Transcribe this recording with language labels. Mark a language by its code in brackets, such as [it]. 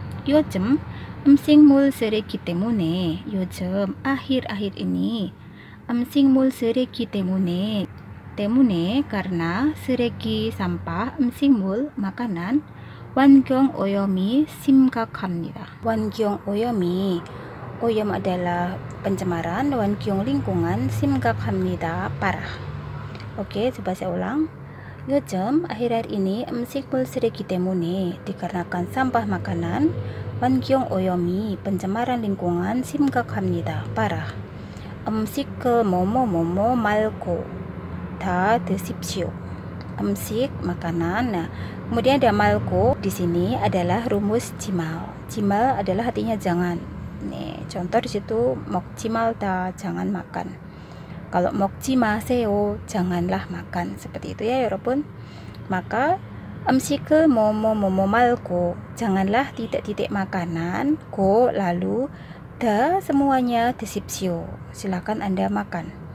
[ko] 요즘 음식물 쓰레기 때문에 요즘 [id] akhir-akhir ini [ko] 음식물 쓰레기 때문에 때문에 [id] karena [ko] 쓰레기 [id] sampah [ko] 음식물 [id] makanan [ko] 환경 오염이 심각합니다. 환경 오염이 오염 [id] adalah pencemaran, [ko] 환경 [id] lingkungan [ko] 심각합니다 [id] parah. Okay, coba saya ulang. [ko] 요즘 [id] akhir-akhir ini [ko] 음식물 쓰레기 때문에 [id] dikarenakan sampah makanan [ko] 환경 오염이 [id] pencemaran lingkungan [ko] 심각합니다 [id] parah. [ko] 음식 뭐뭐뭐뭐 말고 다 드십시오. 음식 [id] makanan. Nah, kemudian ada [ko] 말고 [id] di sini adalah rumus 지말. 지말 adalah artinya jangan. Nih, contoh di situ [ko] 먹지 말다 [id] jangan makan. Kalau [ko] 먹지 마세요 [id] janganlah makan. Seperti itu ya [ko] 여러분. [id] Maka [ko] 음식 뭐뭐뭐뭐 말고 [id] janganlah titik-titik makanan go lalu the semuanya disipsio silakan anda makan.